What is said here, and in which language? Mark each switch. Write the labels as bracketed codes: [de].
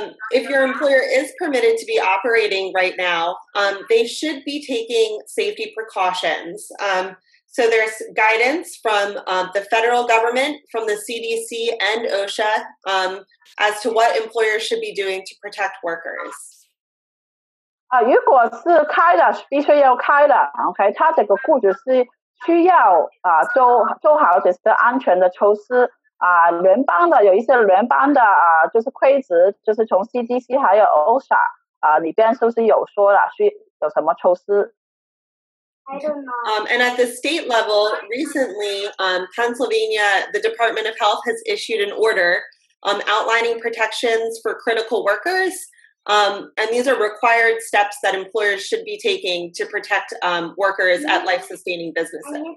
[en] If your employer is permitted to be operating right now, they should be taking safety precautions. So there's guidance from the federal government, from the CDC and OSHA, as to what employers should be doing to protect workers. [zh] 如果是开的，必须要开的。OK，他这个雇主是需要做好这些安全的措施。联邦的有一些联邦的，就是规则，就是从 CDC 还有 OSHA 里边都是有说的，需有什么措施。 [en] And at the state level, recently, Pennsylvania, the Department of Health has issued an order, outlining protections for critical workers. And these are required steps that employers should be taking to protect workers at life-sustaining businesses.